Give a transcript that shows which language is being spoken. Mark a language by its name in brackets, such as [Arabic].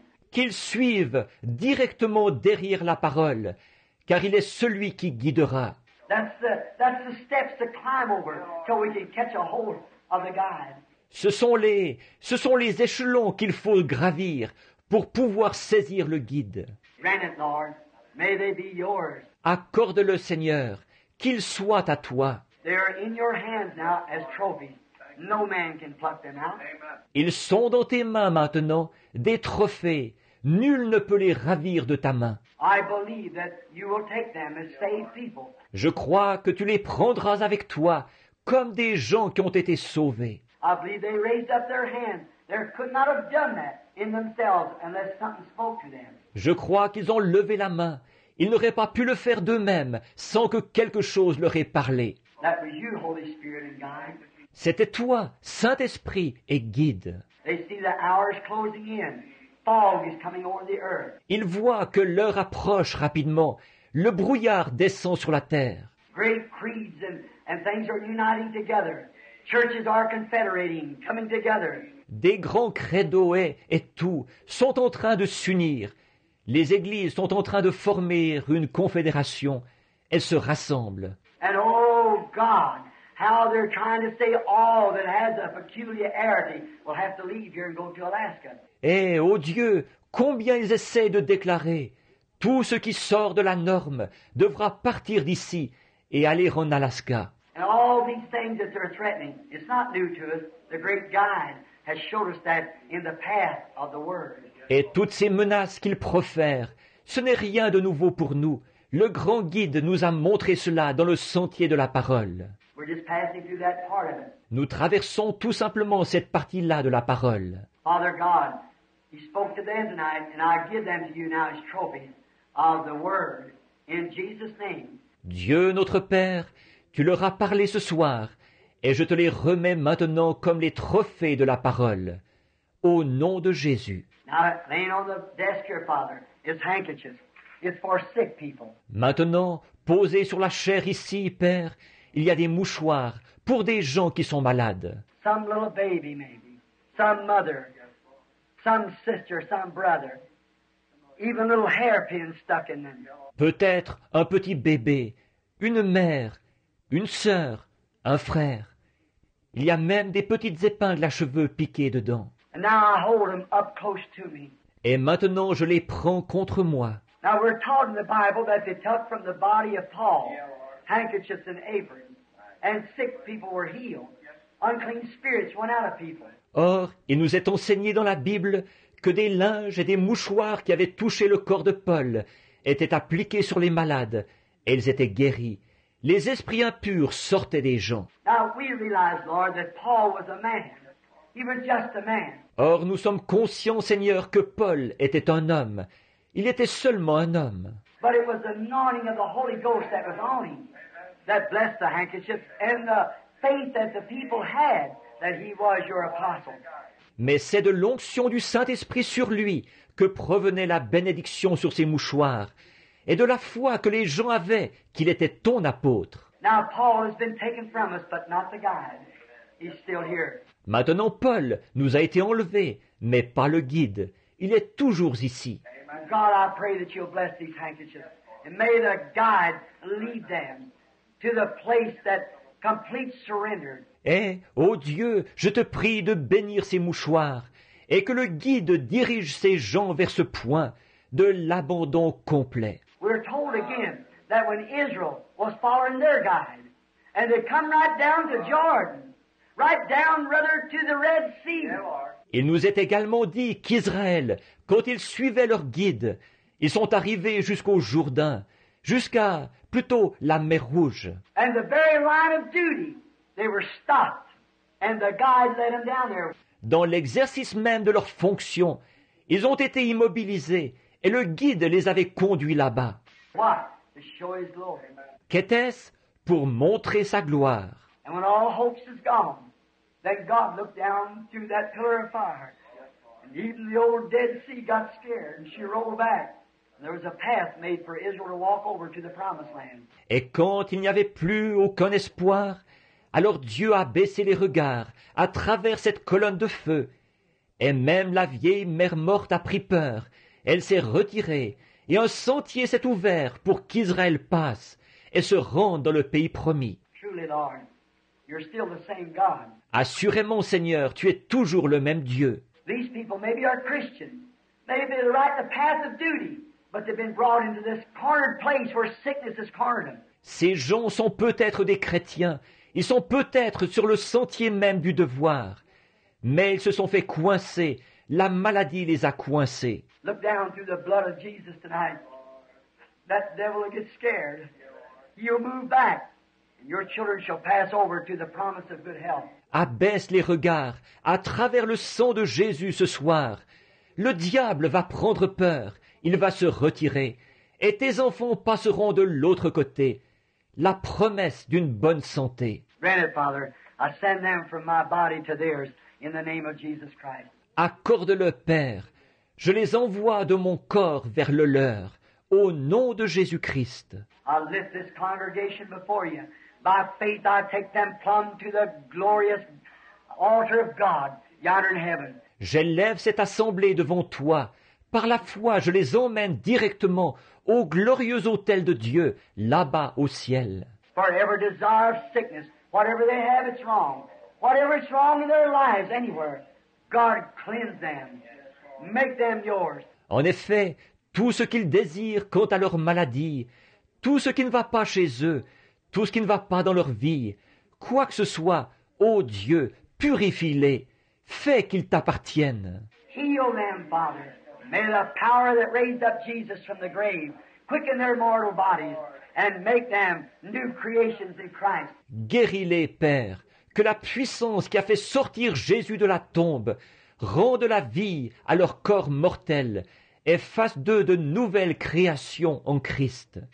[French] Qu'ils suivent directement derrière la parole, car il est celui qui guidera. [English] That's the steps to climb over till we can catch a hold of the guide. [French] Ce sont les échelons qu'il faut gravir pour pouvoir saisir le guide. [English] Grant it, Lord, may they be yours. [French] Accorde-le, Seigneur, qu'ils soient à toi. [English] They are in your hands now as trophies. No man can pluck them out. [French] Ils sont dans tes mains maintenant, des trophées. Nul ne peut les ravir de ta main. [English] I believe that you will take them as saved people. [French] Je crois que tu les prendras avec toi comme des gens qui ont été sauvés. [English] I believe they raised up their hands. They could not have done that in themselves unless something spoke to them. [French] Je crois qu'ils ont levé la main. Ils n'auraient pas pu le faire d'eux-mêmes sans que quelque chose leur ait parlé. [English] That was you, Holy Spirit and guide. [French] C'était toi, Saint-Esprit et guide. [English] They see the hours closing in. Fog is coming over the earth. [French] Ils voient que l'heure approche rapidement. Le brouillard descend sur la terre. [English] Great creeds and things are uniting together. Churches are confederating, coming together. [French] Des grands credos et tout sont en train de s'unir. Les églises sont en train de former une confédération. Elles se rassemblent. [English] And oh God, how they're trying to say all that has a peculiarity will have to leave here and go to Alaska. [French] Eh, oh Dieu, combien ils essaient de déclarer. Tout ce qui sort de la norme devra partir d'ici et aller en Alaska. [English] And all these things that they're threatening, it's not new to us. The great guide has showed us that in the path of the word. [French] Et toutes ces menaces qu'ils profèrent, ce n'est rien de nouveau pour nous. Le grand guide nous a montré cela dans le sentier de la parole. [English] We're just passing through that part of it. [French] Nous traversons tout simplement cette partie-là de la parole. [English] Father God, He spoke to them tonight, and I give them to you now as trophies of the word in Jesus' name. [French] Dieu, notre Père, tu leur as parlé ce soir, et je te les remets maintenant comme les trophées de la parole, au nom de Jésus. [English] Now, laying on the desk here, Father, is handkerchiefs. It's for sick people. [French] Maintenant, posé sur la chaire ici, Père, il y a des mouchoirs pour des gens qui sont malades. [English] Some little baby, maybe. Some mother. Some sister, some brother. Even little hairpins stuck in them. [French] Peut-être un petit bébé, une mère, une sœur, un frère. Il y a même des petites épingles à cheveux piquées dedans. [English] And now I hold them up close to me. [French] Et maintenant je les prends contre moi. [English] Now we're taught in the Bible that they took from the body of Paul handkerchiefs and aprons, and sick people were healed. Unclean spirits went out of people. [French] Or, il nous est enseigné dans la Bible que des linges et des mouchoirs qui avaient touché le corps de Paul étaient appliqués sur les malades et ils étaient guéris. Les esprits impurs sortaient des gens. [English] Now we realize, Lord, that Paul was a man. He was just a man. [French] Or, nous sommes conscients, Seigneur, que Paul était un homme. Il était seulement un homme. [English] But it was the anointing of the Holy Ghost that was on him that blessed the handkerchiefs and the faith that the people had that he was your apostle. [French] Mais c'est de l'onction du Saint-Esprit sur lui que provenait la bénédiction sur ses mouchoirs et de la foi que les gens avaient qu'il était ton apôtre. [English] Now Paul has been taken from us, but not the guide. He's still here. [French] Maintenant Paul nous a été enlevé, mais pas le guide. Il est toujours ici. [English] God, I pray that you'll bless these handkerchiefs and may the guide lead them to the place that complete surrender. [French] Eh, ô Dieu, je te prie de bénir ces mouchoirs et que le guide dirige ces gens vers ce point de l'abandon complet. [English] We're told again that when Israel was following their guide and they come right down to Jordan, right down rather to the Red Sea. [French] Il nous est également dit qu'Israël, quand ils suivaient leur guide, ils sont arrivés jusqu'au Jourdain, jusqu'à plutôt la mer Rouge. [English] And the very line of duty. They were stopped, and the guide led them down there. [French] Dans l'exercice même de leur fonction, ils ont été immobilisés, et le guide les avait conduits là-bas. [English] What? To show his glory. [French] Qu'était-ce? Pour montrer sa gloire. [English] And when all hopes is gone, then God looked down through that pillar of fire. And even the old Dead Sea got scared, and she rolled back. There was a path made for Israel to walk over to the promised land. [French] Et quand il n'y avait plus aucun espoir, alors Dieu a baissé les regards à travers cette colonne de feu. Et même la vieille mère morte a pris peur. Elle s'est retirée et un sentier s'est ouvert pour qu'Israël passe et se rende dans le pays promis. [English] Truly, Lord, you're still the same God. [French] Assurément, Seigneur, tu es toujours le même Dieu. [English] These people maybe are Christians. Maybe they're right in the path of duty, but they've been brought into this cornered place where sickness has cornered them. [French] Ces gens sont peut-être des chrétiens. Ils sont peut-être sur le sentier même du devoir, mais ils se sont fait coincer. La maladie les a coincés. [English] Look down through the blood of Jesus tonight. That devil will get scared. You'll move back, and your children shall pass over to the promise of good health. [French] Abaisse les regards à travers le sang de Jésus ce soir. Le diable va prendre peur. Il va se retirer, et tes enfants passeront de l'autre côté. La promesse d'une bonne santé. [English] Granted, Father, I send them from my body to theirs in the name of Jesus Christ. [French] Accorde-le, Père. Je les envoie de mon corps vers le leur, au nom de Jésus-Christ. [English] I lift this congregation before you. By faith, I take them plumb to the glorious altar of God, yonder in heaven. [French] J'élève cette assemblée devant toi. Par la foi, je les emmène directement au glorieux autel de Dieu, là-bas au ciel. [English] Forever desire of sickness, whatever they have, it's wrong. Whatever is wrong in their lives, anywhere, God cleanse them. Make them yours. [French] En effet, tout ce qu'ils désirent quant à leur maladie, tout ce qui ne va pas chez eux, tout ce qui ne va pas dans leur vie, quoi que ce soit, ô Dieu, purifie-les, fais qu'ils t'appartiennent. [English] Heal them, Father. May the power that raised up Jesus from the grave quicken their mortal bodies and make them new creations in Christ. [French] Guéris-les, Père, que la puissance qui a fait sortir Jésus de la tombe rende la vie à leur corps mortel et fasse d'eux de nouvelles créations en Christ.